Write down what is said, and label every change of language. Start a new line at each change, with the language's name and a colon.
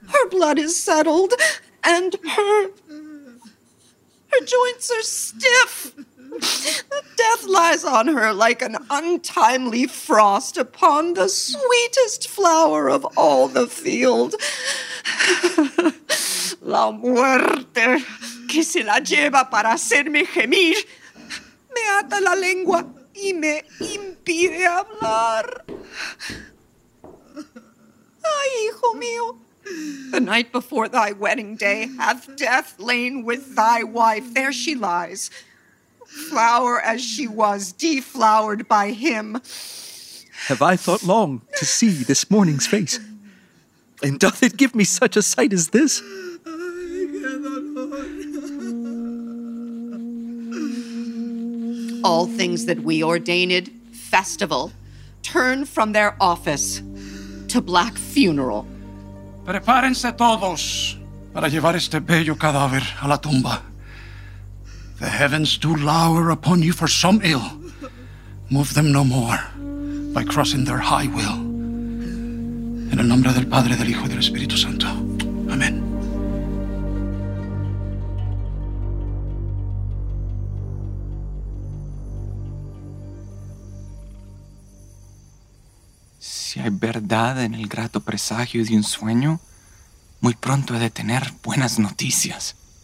English: blood is settled, and her joints are stiff. Death lies on her like an untimely frost upon the sweetest flower of all the field.
Spanish: La muerte que se la lleva para hacerme gemir me ata la lengua y me impide hablar. Ay, hijo mío.
English: The night before thy wedding day hath death lain with thy wife. There she lies, flower as she was, deflowered by him. Have I thought long to see this morning's face? And doth it give me such a sight as this? All things that we ordained festival turn from their office to black funeral.
Spanish: Prepárense todos para llevar este bello cadáver a la tumba.
English: The heavens do lower upon you for some ill. Move them no more by crossing their high will.
Spanish: En el nombre del Padre, del Hijo y del Espíritu Santo. Amén. Si hay verdad en el grato presagio de un sueño, muy pronto he de tener buenas noticias.